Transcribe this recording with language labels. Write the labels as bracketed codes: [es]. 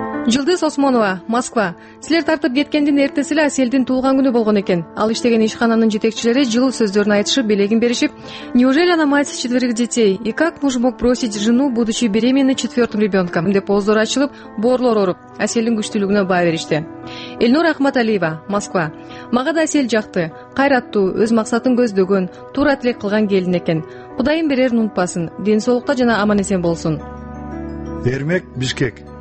[ky] Жылдыз Осмонова, Москва. Силер тартып кеткендин эртеси эле Аселдин туулган күнү болгон экен. Ал иштеген ишкананын жетекчилери жыл сөздөрүн айтышып, белегин беришип, [ru] неужели она мать четверых детей? И как можем просить жену, будучи беременной четвертым ребенком? [ky] Деп ооздор ачылып, боорлор ооруп, Аселдин күчтүүлүгүнө баа беришти. Элнур Ахматалиева, Москва. Мага да Асель жакты, кайраттуу, өз максатын көздөгөн, туура тилек кылган келин экен. Кудайым берерин унутпасын, ден соолукта жана аман эсен болсун. Эрмек, Бишкек.